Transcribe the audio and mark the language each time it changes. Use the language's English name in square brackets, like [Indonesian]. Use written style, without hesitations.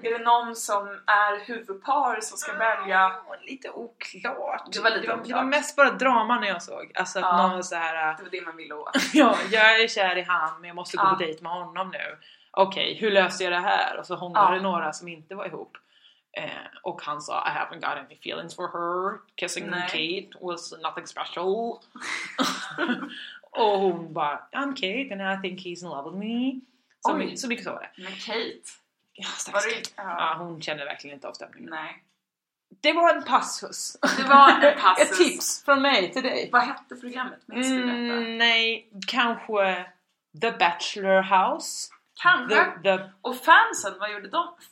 [Swedish] Är det någon som är huvudpar som ska välja? Lite oklart. Det var lite oklart. Det var mest bara drama när jag såg. Alltså att någon var så här, det var det man ville åt. Ja, jag är kär i han men jag måste gå på dejt med honom nu. Okej, hur löser jag det här? Och så hånglar det några som inte var ihop. Och han sa, [English] I haven't got any feelings for her. Kissing Kate was nothing special. [Swedish] Och hon bara, [English] I'm Kate and I think he's in love with me. [Swedish] Så mycket så var det. Men Kate? Ja, hon känner verkligen inte avstämningen. Nej. Det var en passus. Det var en passus. Ett tips från mig till dig. Vad hette programmet? Nej, kanske The Bachelor House. Kanske. Och fansen, vad gjorde de?